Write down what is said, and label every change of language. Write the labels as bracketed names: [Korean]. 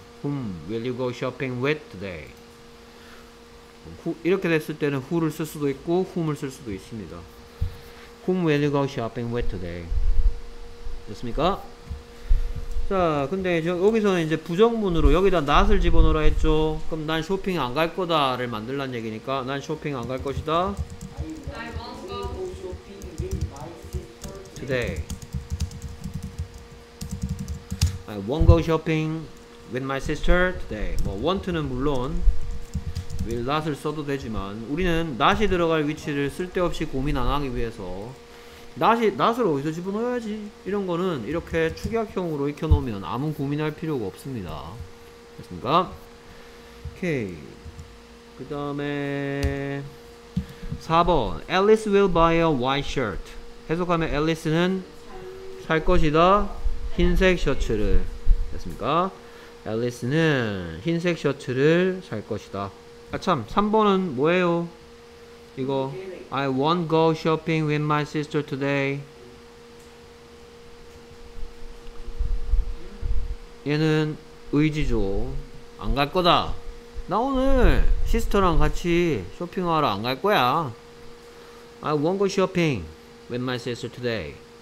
[English] Whom will you go shopping with today? [Korean] 이렇게 됐을 때는 who를 쓸 수도 있고 whom을 쓸 수도 있습니다. [English] Whom will you go shopping with today? [Korean] 됐습니까? 자, 근데 여기서는 이제 부정문으로 여기다 not을 집어넣으라 했죠. 그럼 난 쇼핑 안 갈 거다를 만들란 얘기니까 난 쇼핑 안 갈 것이다. [English] I want to go shopping with my sister today. I won't go shopping with my sister today. [Korean] 뭐 want는 물론 will not을 써도 되지만 우리는 not이 들어갈 위치를 쓸데없이 고민 안 하기 위해서 not을 어디서 집어넣어야지 이런 거는 이렇게 축약형으로 익혀놓으면 아무 고민할 필요가 없습니다. 됐습니까? 오케이. 그 다음에 4번 [English] Alice will buy a white shirt. [Korean] 해석하면 Alice는 살 것이다. 흰색 셔츠를. 됐습니까? Alice는 흰색 셔츠를 살 것이다. 아 참, 3번은 뭐예요? 이거 [English] I won't go shopping with my sister today. [Korean] 얘는 의지죠. 안 갈 거다. 나 오늘 시스터랑 같이 쇼핑하러 안 갈 거야. [English] I won't go shopping with my sister today.